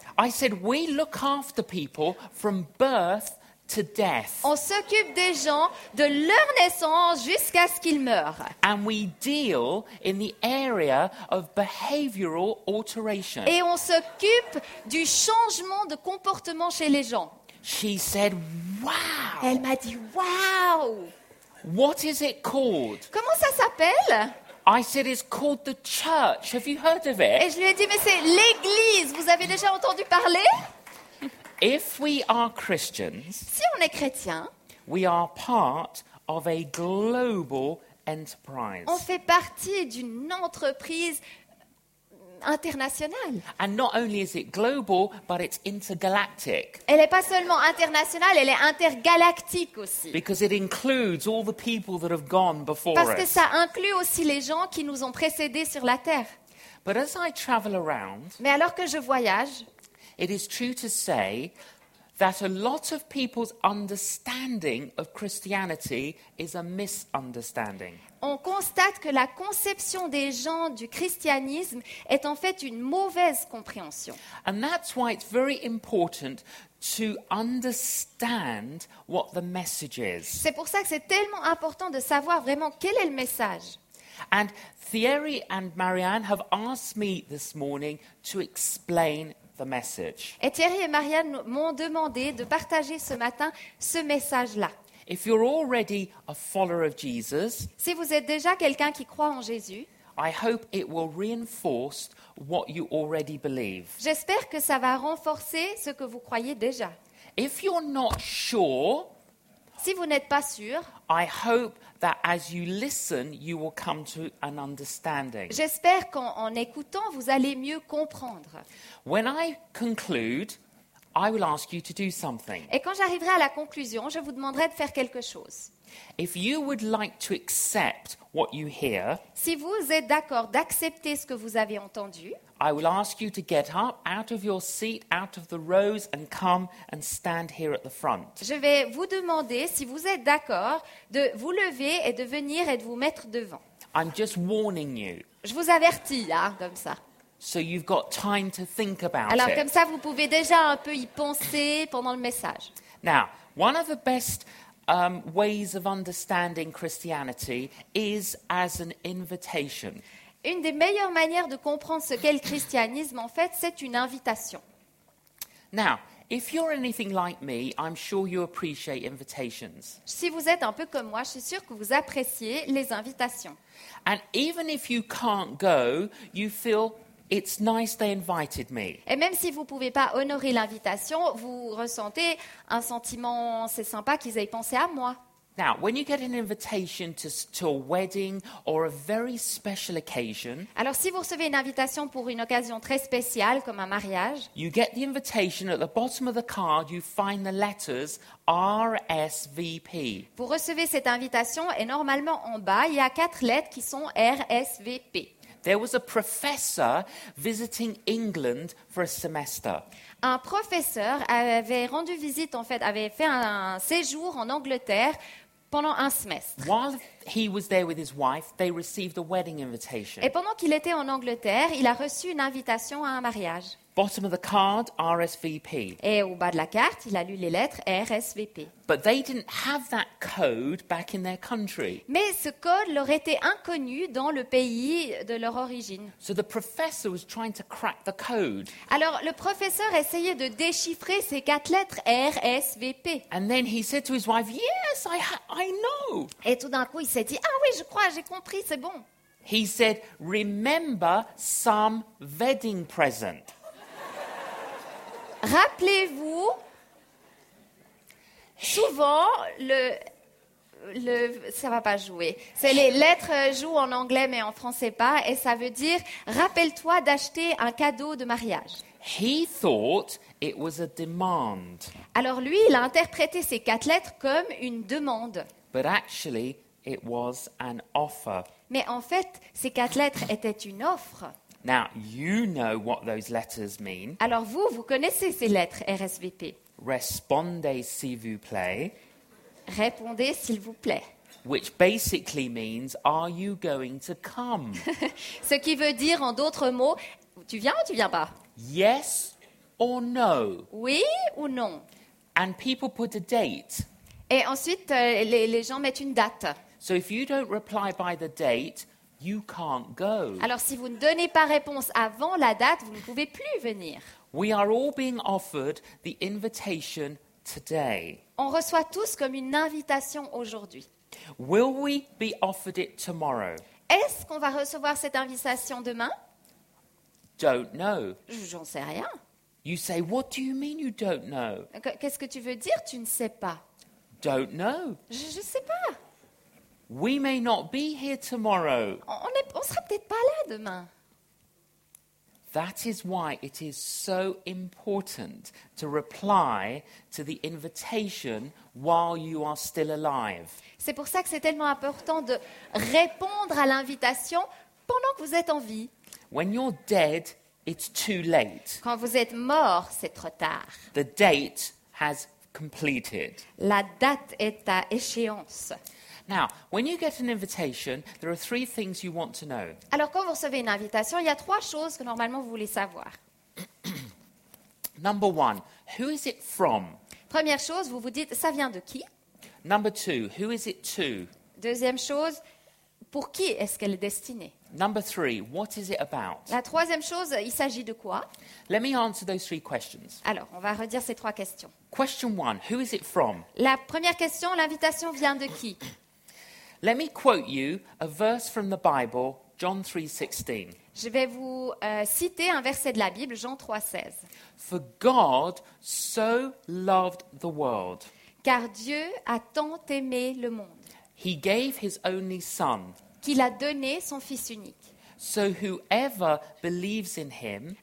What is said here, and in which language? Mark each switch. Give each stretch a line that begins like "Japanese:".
English: I said we look after people from birth to death.
French: On s'occupe des gens de leur naissance jusqu'à ce qu'ils meurent.
English: And we deal in the area of behavioral alteration.
French: Et on s'occupe du changement de comportement chez les gens.
English: She said, "Wow."
French: Elle m'a dit, "Wow."
English: What is it called?
French: Comment ça s'appelle?
English: I said, "It's called the church. Have you heard of it?"
French: Et je lui ai dit, mais c'est l'église. Vous avez déjà entendu parler?
English: If we are Christians,
French: si on est chrétien,
English: we are part of a global enterprise.
French: On fait partie d'une entreprise internationale.
English: And not only is it global, but it's intergalactic.
French: Elle n'est pas seulement internationale, elle est intergalactique aussi.
English: Because it includes all the people that have gone before us.
French: Parce que ça inclut aussi les gens qui nous ont précédés sur la terre.
English: But as I travel around,
French: mais alors que je voyage,
English: it is true to say that a lot of people's understanding of Christianity is a misunderstanding.
French: On constate que la conception des gens du christianisme est en fait une mauvaise compréhension.
English: And that's why it's very important to understand what the message is.
French: C'est pour ça que c'est tellement important de savoir vraiment quel est le message.
English: And Thierry and Marianne have asked me this morning to explain the message.
French: Et Thierry et Marianne m'ont demandé de partager ce matin ce message-là.
English: If you're already a follower of Jesus,
French: si vous êtes déjà quelqu'un qui croit en Jésus,
English: I hope it will reinforce what you already believe.
French: J'espère que ça va renforcer ce que vous croyez déjà.
English: If you're not sure,
French: si vous n'êtes pas sûr,
English: I hope that as you listen, you will come to an understanding.
French: J'espère qu'en écoutant, vous allez mieux comprendre.
English: When I conclude, I will ask you to do something.
French: Et quand j'arriverai à la conclusion, je vous demanderai de faire quelque chose.
English: If you would like to accept what you hear,
French: si vous êtes d'accord d'accepter ce que vous avez entendu,
English: I will ask you to get up out of your seat, out of the rows, and come and stand here at the front.
French: Je vais vous demander si vous êtes d'accord de vous lever et de venir et de vous mettre devant.
English: I'm just warning you.
French: Je vous avertis, hein, comme ça.
English: So you've got time to think about.
French: Alors comme ça, vous pouvez déjà un peu y penser pendant le message.
English: Now, one of the best ways of understanding Christianity is as an invitation.
French: Une des meilleures manières de comprendre ce qu'est le christianisme, en fait, c'est une invitation.
English: Now, if you're anything like me, I'm sure you appreciate invitations.
French: Si vous êtes un peu comme moi, je suis sûre que vous appréciez les invitations.
English: And even if you can't go, you feel it's nice they invited me.
French: Et même si vous ne pouvez pas honorer l'invitation, vous ressentez un sentiment, c'est sympa qu'ils aient pensé à moi.
English: Now, when you get an invitation to a wedding or a very special occasion,
French: alors si vous recevez une invitation pour une occasion très spéciale comme un mariage,
English: you get the invitation at the bottom of the card, you find the letters RSVP.
French: Vous recevez cette invitation et normalement en bas, il y a quatre lettres qui sont RSVP.
English: There was a professor visiting England for a semester.
French: Un professeur avait rendu visite, en fait, avait fait un séjour en Angleterre pendant un semestre.
English: While he was there with his wife, they received a wedding invitation.
French: Et pendant qu'il était en Angleterre, il a reçu une invitation à un mariage.
English: Bottom of the card, RSVP.
French: Et au bas de la carte, il a lu les lettres RSVP.
English: But they didn't have that code back in their country.
French: Mais ce code leur était inconnu dans le pays de leur origine.
English: So the professor was trying to crack the code.
French: Alors le professeur essayait de déchiffrer ces quatre lettres RSVP.
English: And then he said to his wife, "Yes, I know."
French: Et tout d'un coup, il s'est dit, "Ah oui, je crois, j'ai compris, c'est bon."
English: He said, "Remember some wedding present."
French: Rappelez-vous souvent le ça va pas jouer. C'est les lettres jouent en anglais mais en français pas et ça veut dire rappelle-toi d'acheter un cadeau de mariage.
English: He thought it was a demand.
French: Alors lui, il a interprété ces quatre lettres comme une demande.
English: But actually, it was an offer.
French: Mais en fait, ces quatre lettres étaient une offre.
English: Now you know what those letters mean.
French: Alors vous connaissez ces lettres RSVP. Respondez s'il vous plaît. Répondez s'il vous plaît.
English: Which basically means are you going to come?
French: Ce qui veut dire en d'autres mots, tu viens ou tu viens pas?
English: Yes or no.
French: Oui ou non.
English: And people put a date.
French: Et ensuite les gens mettent une date.
English: So if you don't reply by the date, you can't go.
French: Alors si vous ne donnez pas réponse avant la date, vous ne pouvez plus venir.
English: We are all being offered the invitation today.
French: On reçoit tous comme une invitation aujourd'hui.
English: Will we be offered it tomorrow?
French: Est-ce qu'on va recevoir cette invitation demain?
English: Don't know.
French: J'en sais rien.
English: You say, what do you mean you don't know?
French: Qu'est-ce que tu veux dire, tu ne sais pas?
English: Don't know.
French: Je ne sais pas.
English: We may not be here tomorrow.
French: On sera peut-être pas là demain.
English: That is why it is so important to reply to the invitation while you are still alive.
French: C'est pour ça que c'est tellement important de répondre à l'invitation pendant que vous êtes en vie.
English: When you're dead, it's too late.
French: Quand vous êtes mort, c'est trop tard.
English: The date has completed.
French: La date est à échéance.
English: Now, when you get an invitation, there are three things you want to know.
French: Alors quand vous recevez une invitation, il y a trois choses que normalement vous voulez savoir.
English: Number one, who is it from?
French: Première chose, vous vous dites ça vient de qui?
English: Number two, who is it to?
French: Deuxième chose, pour qui est-ce qu'elle est destinée?
English: Number three, what is it about?
French: La troisième chose, il s'agit de quoi?
English: Let me answer those three questions.
French: Alors, on va redire ces trois questions.
English: Question one, who is it from?
French: La première question, l'invitation vient de qui?
English: Let me quote you a verse from the Bible, John 3:16.
French: Je vais vous citer un verset de la Bible, Jean 3:16.
English: For God so loved the world.
French: Car Dieu a tant aimé le monde.
English: He gave his only son.
French: Qu'il a donné son fils unique.
English: So whoever believes in him.